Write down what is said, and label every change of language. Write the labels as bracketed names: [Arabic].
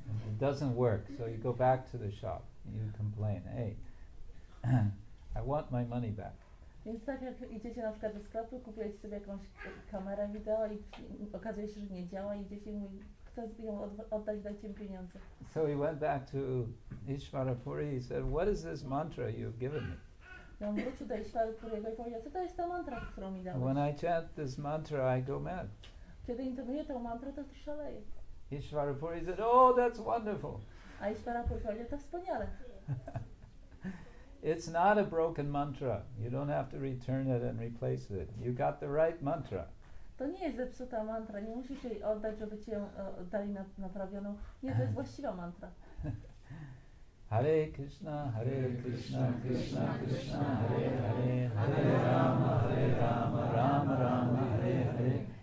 [English] It doesn't work, so you go back to the shop and you complain, hey, I want my money back. [Polish] Więc tak jak idziecie na przykład do sklepu, kupujecie sobie jakąś kamerę wideo i okazuje się, że nie działa i idziecie i mówicie, chcę ją oddać, dajcie mi pieniądze. [English] So he went back to Ishwarapuri, he said, what is this mantra you've given me? [Polish] I on wrócił do Ishwarapuriego i powiedział, co to jest ta mantra, którą mi dałeś? [English] When I chant this mantra, I go mad. [Polish] Kiedy intonuję tę mantrę, to szaleję. [English] Ishwarapuri said, oh, that's wonderful. [Polish] A Ishwarapuri powiedział, to wspaniale. [English] It's not a broken mantra. You don't have to return it and replace it. You got the right mantra. [Polish] To nie jest zepsuta mantra. Nie musisz jej oddać, żeby ci ją dali naprawioną. Nie, to jest właściwa mantra. [Sanskrit] Hare Krishna, Krishna, Krishna, Hare Hare, Hare Rama, Hare Rama, Rama Rama, Hare Hare.